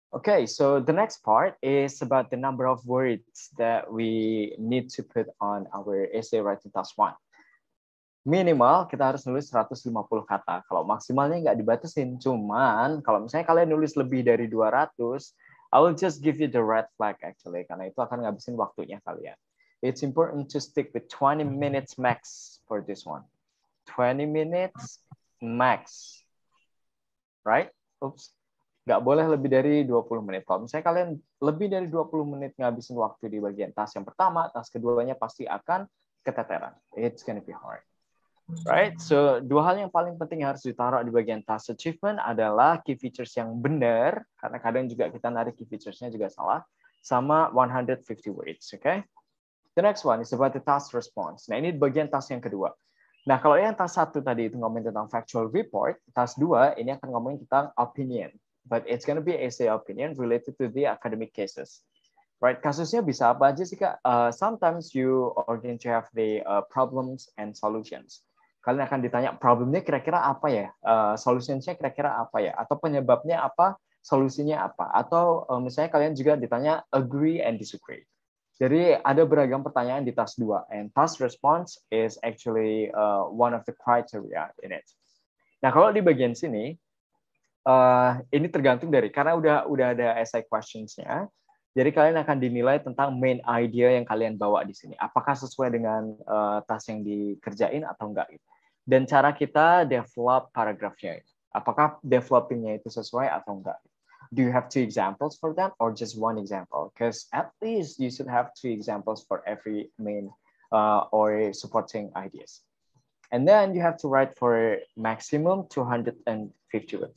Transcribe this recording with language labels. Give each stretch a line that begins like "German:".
English: Okay, so the next part is about the number of words that we need to put on our essay writing task 1.
Indonesian: Minimal kita harus nulis 150 kata. Kalau maksimalnya nggak dibatasin, cuman kalau misalnya kalian nulis lebih dari 200,
English: I will just give you the red flag actually,
Indonesian: karena itu akan ngabisin waktunya kalian.
English: It's important to stick with 20 minutes max for this one. 20 minutes max. Right? Oops.
Indonesian: Nggak boleh lebih dari 20 menit. Kalau misalnya kalian lebih dari 20 menit ngabisin waktu di bagian tas yang pertama, tas keduanya pasti akan keteteran.
English: It's gonna be hard. Right?
Indonesian: So, dua hal yang paling penting yang harus ditaruh di bagian task achievement adalah key features yang benar, karena kadang juga kita narik key features-nya juga salah, sama 150 words, okay?
English: The next one is about the task response.
Indonesian: Nah, ini bagian task yang kedua. Nah, kalau yang task satu tadi itu ngomongin tentang factual report, task dua ini akan ngomongin tentang opinion.
English: But it's going to be essay opinion related to the academic cases. Right,
Indonesian: kasusnya bisa apa aja sih, Kak?
English: Sometimes you are going to have the problems and solutions.
Indonesian: Kalian akan ditanya problemnya kira-kira apa ya? Solutionsnya kira-kira apa ya? Atau penyebabnya apa? Solusinya apa? Atau misalnya kalian juga ditanya
English: agree and disagree.
Indonesian: Jadi ada beragam pertanyaan di task 2.
English: And task response is actually one of the criteria in it.
Indonesian: Nah, kalau di bagian sini, ini tergantung dari, karena udah ada essay questions-nya, jadi kalian akan dinilai tentang main idea yang kalian bawa di sini. Apakah sesuai dengan task yang dikerjain atau enggak. Dan cara kita develop paragraph-nya. Apakah developing-nya itu sesuai atau enggak.
English: Do you have two examples for that or just one example? Because at least you should have two examples for every main or supporting ideas. And then you have to write for maximum 250 words.